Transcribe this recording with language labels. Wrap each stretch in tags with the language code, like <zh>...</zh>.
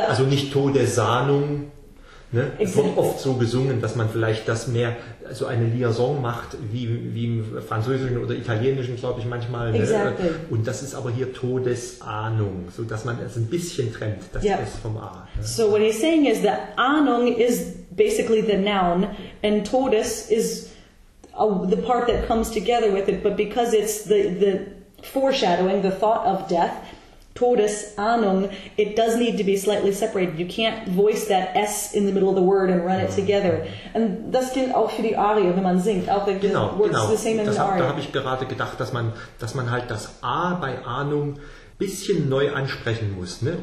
<de>also nicht Todesahnung. Ne?</de> <en>Exactly.</en> <de>Es wird oft so gesungen, dass man vielleicht das mehr, so eine Liaison macht, wie im Französischen oder Italienischen, glaube ich, manchmal. Ne?</de> <en>Exactly.</en> <de>Und das ist aber hier Todesahnung, so dass man es ein bisschen trennt, das yep. S vom A. Ne?</de> <en>So what he's saying is that Ahnung is basically the noun and Todes is the part that comes together with it, but because it's the foreshadowing, the thought of death, Todesahnung, it does need to be slightly separated. You can't voice that S in the middle of the word and run it together.</en> <de>And das gilt auch für die Arie, wenn man singt. Auch like genau,</de> <en>the words</en> <de>genau.</de> <en>The same in</en> <de>das</de> <en>the Arie.</en> <de>Da habe ich gerade gedacht, dass man halt das A bei Ahnung ein bisschen neu ansprechen muss, ne?</de>